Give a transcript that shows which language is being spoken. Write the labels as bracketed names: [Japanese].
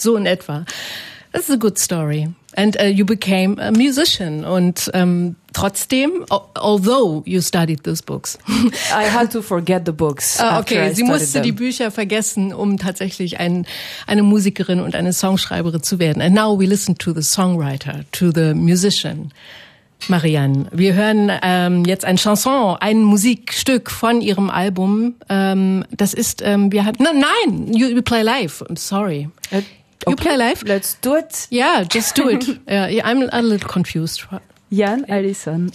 [German] So in etwa. [English] This is a good story. And you became a musician. [German] Und trotzdem, [English] although you studied those books. I had to forget the books. [German] Okay, sie musste die Bücher vergessen, um tatsächlich eine Musikerin und eine Songschreiberin zu werden. [English] And now we listen to the songwriter, to the musician, Marianne. [German] Wir hören jetzt ein Chanson, ein Musikstück von ihrem Album. Das ist, wir hatten, nein, [English] you play live. I'm sorry. You okay. Play live? Let's do it. Yeah, just do it. Yeah, I'm a little confused. Jan Allison.